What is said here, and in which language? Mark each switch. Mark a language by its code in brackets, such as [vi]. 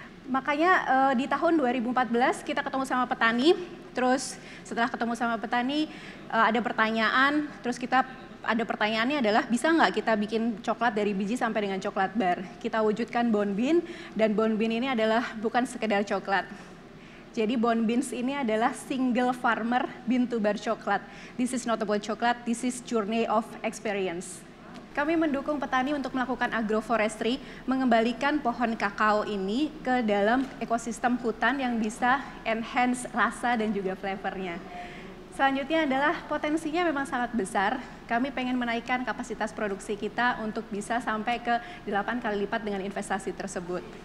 [id] Makanya di tahun 2014 kita ketemu sama petani, terus setelah ketemu sama petani ada pertanyaan, terus kita ada pertanyaannya adalah bisa nggak kita bikin coklat dari biji sampai dengan coklat bar. Kita wujudkan Bon Bean, dan Bon Bean ini adalah bukan sekedar coklat. Jadi Bon Beans ini adalah [en] single farmer bean to bar [id] coklat. [en] This is not about coklat, this is journey of experience. [id] Kami mendukung petani untuk melakukan agroforestry, mengembalikan pohon kakao ini ke dalam ekosistem hutan yang bisa enhance rasa dan juga flavornya. Selanjutnya adalah potensinya memang sangat besar. Kami pengen menaikkan kapasitas produksi kita untuk bisa sampai ke 8 kali lipat dengan investasi tersebut.